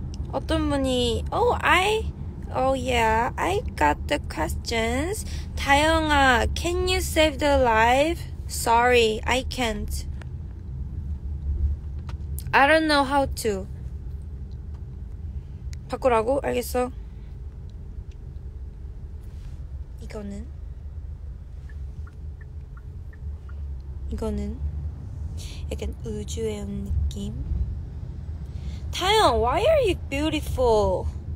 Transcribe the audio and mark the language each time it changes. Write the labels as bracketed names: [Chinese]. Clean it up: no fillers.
[Korean] 어떤 분이 [English] Oh, yeah. I got the questions. 다영아, can you save the life? Sorry, I can't. I don't know how to. [Korean] 바꾸라고? 알겠어. 이거는 약간 우주의 느낌. [English] 다영, why are you beautiful?